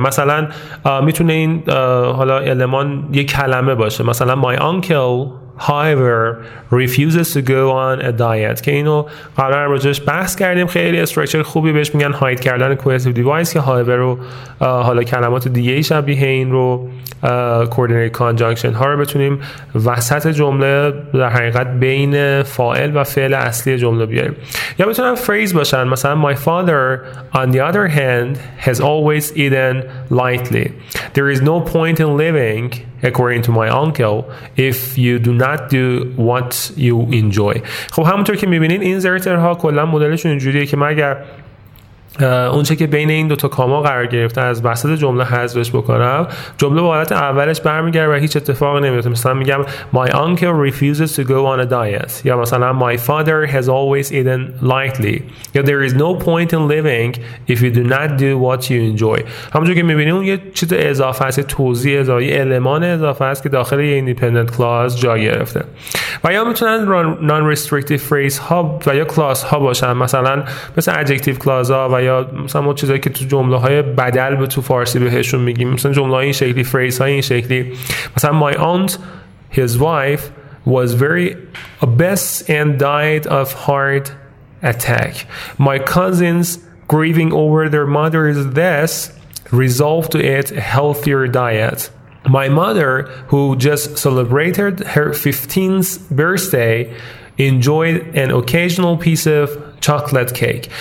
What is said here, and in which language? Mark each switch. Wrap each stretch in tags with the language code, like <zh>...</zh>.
<fa>مثلا میتونه این حالا المان یک کلمه باشه، مثلا</fa> <en>my uncle however refuses to go on a diet،</en> <fa>که اینو قبلا هم راجعش بحث کردیم. خیلی استرکچر خوبی بهش میگن، هاید کردن کوهسیو دیوایس، که however رو حالا کلمات دیگه شبیه این رو coordinate conjunction ها رو بتونیم وسط جمله در حقیقت بین فاعل و فعل اصلی جمله بیاریم. یا بتونم فریز باشن، مثلا</fa> <en>my father on the other hand has always eaten lightly، there is no point in living according to my uncle, if you do not do what you enjoy.</en> <fa>خب همونطور که میبینین این زرترها کلا مدلشون اینجوریه که مگر اونچه که بین این دوتا کاما قرار گرفته از وسط جمله حذفش بکنم، جمله به حالت اولش برمیگرده و هیچ اتفاق نمیفته. مثلا میگم</fa> <en>My uncle refuses to go on a diet.</en> <fa>یا مثلا</fa> <en>My father has always eaten lightly.</en> <fa>یا</fa> <en>There is no point in living if you do not do what you enjoy.</en> <fa>همونجور که میبینیم اون یه چیز اضافه است، توضیح اضافه، یه المان اضافه است که داخل یه independent clause جا گرفته. و یا میتونن non-restrictive phrase ها و یا clause ها باشن، مثلا مثل adjective clause ها و یا مثلا چیزایی که تو جمله های بدل به تو فارسی بهشون میگیم، مثلا جمله های این شکلی، فریز های این شکلی. مثلا</fa> <en>My aunt, his wife, was very obese and died of heart attack. My cousins, grieving over their mother's death, resolved to eat a healthier diet. My mother, who just celebrated her 15th birthday, enjoyed an occasional piece of chocolate cake.</en>